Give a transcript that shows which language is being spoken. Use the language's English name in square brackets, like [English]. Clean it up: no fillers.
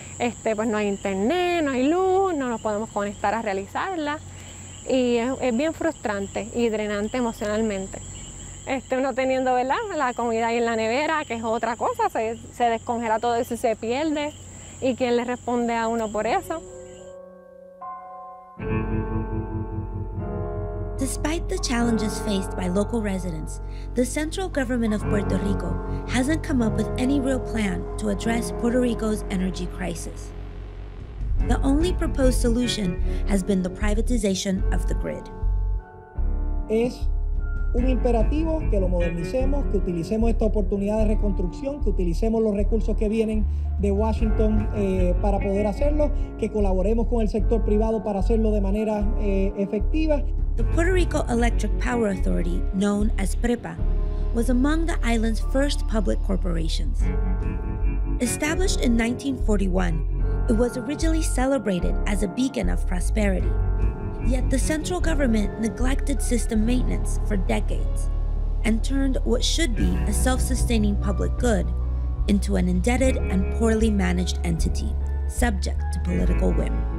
[Spanish] Pues no hay internet, no hay luz, no nos podemos conectar a realizarla. Y es bien frustrante y drenante emocionalmente. Uno teniendo, ¿verdad?, la comida ahí en la nevera, que es otra cosa, se descongela todo eso y se pierde. ¿Y quién le responde a uno por eso? [English] Despite the challenges faced by local residents, the central government of Puerto Rico hasn't come up with any real plan to address Puerto Rico's energy crisis. The only proposed solution has been the privatization of the grid. [Spanish] Es un imperativo que lo modernicemos, que utilicemos esta oportunidad de reconstrucción, que utilicemos los recursos que vienen de Washington para poder hacerlo, que colaboremos con el sector privado para hacerlo de manera efectiva. [English] The Puerto Rico Electric Power Authority, known as PREPA, was among the island's first public corporations. Established in 1941, it was originally celebrated as a beacon of prosperity. Yet the central government neglected system maintenance for decades and turned what should be a self-sustaining public good into an indebted and poorly managed entity, subject to political whim.